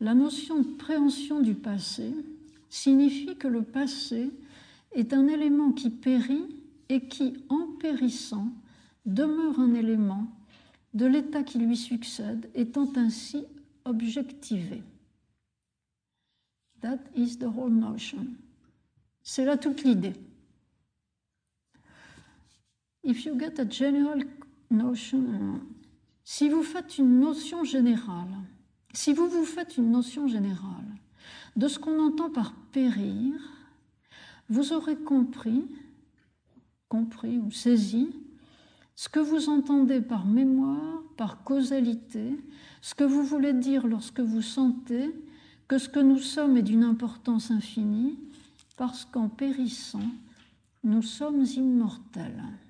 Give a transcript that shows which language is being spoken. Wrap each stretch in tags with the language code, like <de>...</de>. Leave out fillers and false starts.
<fr>La notion de préhension du passé signifie que le passé est un élément qui périt et qui, en périssant, demeure un élément de l'état qui lui succède, étant ainsi objectivé.</fr> <en>That is the whole notion.</en> <fr>C'est là toute l'idée.</fr> <en>If you get a general notion,</en> <fr>si vous faites une notion générale, si vous vous faites une notion générale de ce qu'on entend par périr, vous aurez compris ou saisi ce que vous entendez par mémoire, par causalité, ce que vous voulez dire lorsque vous sentez que ce que nous sommes est d'une importance infinie, parce qu'en périssant, nous sommes immortels.</fr>